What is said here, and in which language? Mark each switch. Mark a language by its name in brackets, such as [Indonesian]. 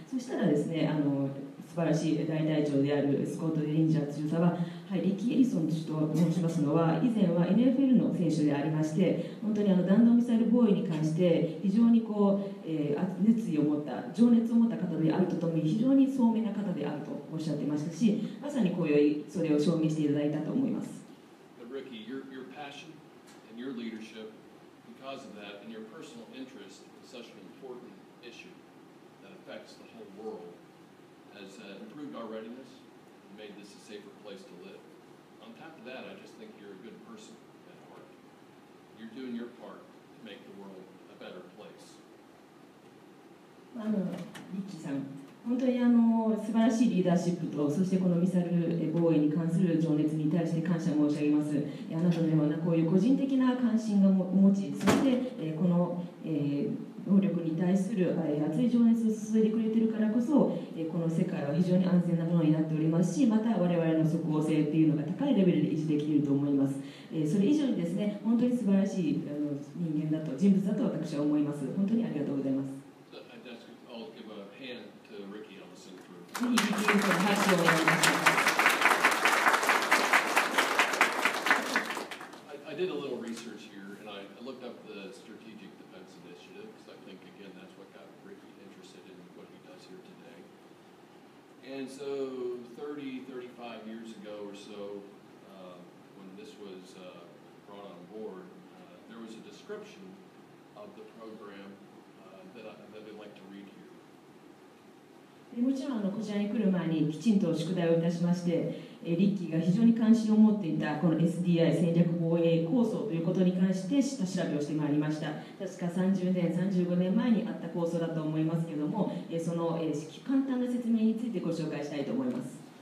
[Japanese] そしたらですね、素晴らしい大隊長であるスコット・レリンジャー中佐は、はい、リッキー・エリソンと申しますのは以前は NFL の選手でありまして、本当に弾道ミサイル防衛に関して非常にこう、熱意を持った情熱を持った方であるとともに非常に聡明な方であるとおっしゃってましたし、まさに今宵それを証明していただいたと思います。 [English] リッキー、your passion and your leadership because of that and your personal interest is such an important issue that affects the whole world has improved our readinessmade this a safer place to live. On top of that, I just think you're a good person at heart. You're doing your part to make the world a better place. [Japanese] リッキーさん、本当に素晴らしいリーダーシップと、そしてこのミサイル防衛に関する情熱に対して感謝申し上げます。あなたのようなこういう個人的な関心を持ち、そしてこの能力に対する熱い情熱を注いでくれているからこそ、この世界は非常に安全なものになっておりますし、また我々の即応性というのが高いレベルで維持できると思います。それ以上にですね、本当に素晴らしい人間だと、人物だと私は思います。本当にありがとうございます。ぜひリッキー・エリソンに拍手をお願いします。 [English] And so 30, 35 years ago or so, when this was brought on board, there was a description of the program that I'd like to read here. [Japanese] もちろんこちらに来る前にきちんと宿題をいたしまして、リッキーが非常に関心を持っていたこの SDI 戦略防衛構想ということに関して下調べをしてまいりました。確か30年、35年前にあった構想だと思いますけれども、その簡単な説明についてご紹介したいと思います。